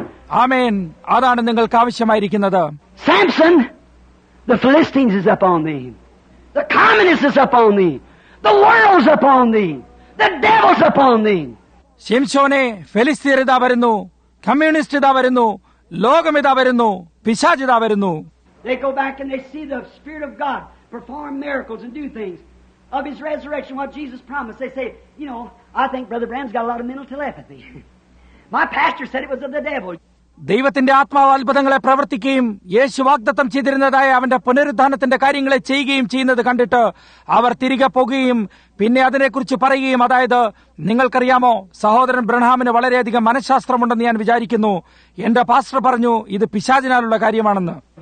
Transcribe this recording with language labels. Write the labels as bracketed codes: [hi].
[ml] ആമേൻ. അതാണ് നിങ്ങൾക്ക് ആവശ്യമായിരിക്കുന്നത്. [en] Samson, the Philistines is upon thee, the communists is upon thee, the world is upon thee, the devil is upon thee. [ml] ശിംശോനെ, ഫിലിസ്തീർ ഇതാ വരുന്നു, communist ഇതാ വരുന്നു, ലോകം ഇതാ വരുന്നു, പിശാച് ഇതാ വരുന്നു. [en] They go back and they see the spirit of God perform miracles and do things of his resurrection, what Jesus promised. They say, you know, I think Brother Branham's got a lot of mental telepathy. My pastor said it was of the devil. [ml] ദൈവത്തിന്റെ ആത്മാവത്ഭുതങ്ങളെ പ്രവർത്തിക്കുകയും യേശു വാഗ്ദത്തം ചെയ്തിരുന്നതായ അവന്റെ പുനരുദ്ധാനത്തിന്റെ കാര്യങ്ങളെ ചെയ്യുകയും ചെയ്യുന്നത് കണ്ടിട്ട് അവർ തിരികെ പോകുകയും പിന്നെ അതിനെക്കുറിച്ച് പറയുകയും, അതായത് നിങ്ങൾക്കറിയാമോ, സഹോദരൻ ബ്രഹാമിന് വളരെയധികം മനഃശാസ്ത്രമുണ്ടെന്ന് ഞാൻ വിചാരിക്കുന്നു, എന്റെ പാസ്റ്റർ പറഞ്ഞു ഇത് പിശാചിനാലുള്ള കാര്യമാണെന്ന്.